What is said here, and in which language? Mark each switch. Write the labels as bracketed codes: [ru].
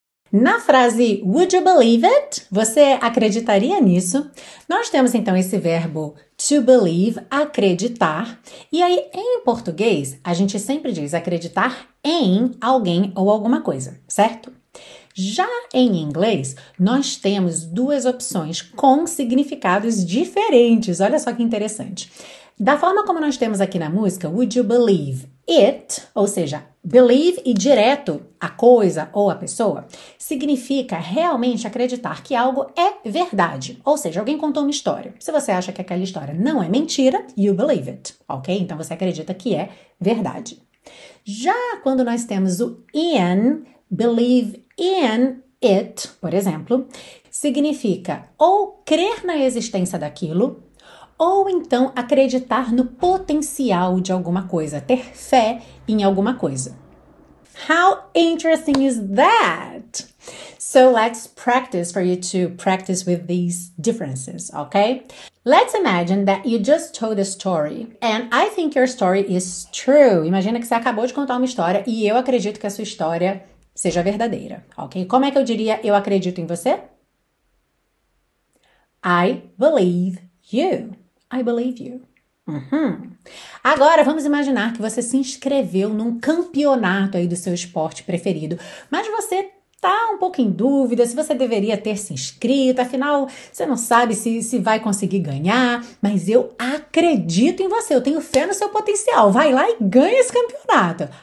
[pt] Na frase [en] Would you believe it? [pt] Você acreditaria nisso? Nós temos então esse verbo to believe, acreditar. E aí, em português, a gente sempre diz acreditar em alguém ou alguma coisa, certo? Já em inglês, nós temos duas opções com significados diferentes. Olha só que interessante. Da forma como nós temos aqui na música, [en] would you believe it, [pt] ou seja, believe e direto a coisa ou a pessoa, significa realmente acreditar que algo é verdade. Ou seja, alguém contou uma história. Se você acha que aquela história não é mentira, [en] you believe it, [pt] ok? Então você acredita que é verdade. Já quando nós temos o in, [en] believe in it, [pt] por exemplo, significa ou crer na existência daquilo, ou então acreditar no potencial de alguma coisa, ter fé em alguma coisa. [en] How interesting is that? So let's practice for you to practice with these differences, okay? Let's imagine that you just told a story and I think your story is true. [pt] Imagina que você acabou de contar uma história e eu acredito que a sua história seja verdadeira, ok? Como é que eu diria eu acredito em você? [en] I believe you. I believe you. Uhum. [pt] Agora, vamos imaginar que você se inscreveu num campeonato aí do seu esporte preferido, mas você tá um pouco em dúvida se você deveria ter se inscrito, afinal, você não sabe se vai conseguir ganhar, mas eu acredito em você, eu tenho fé no seu potencial, vai lá e ganha esse campeonato.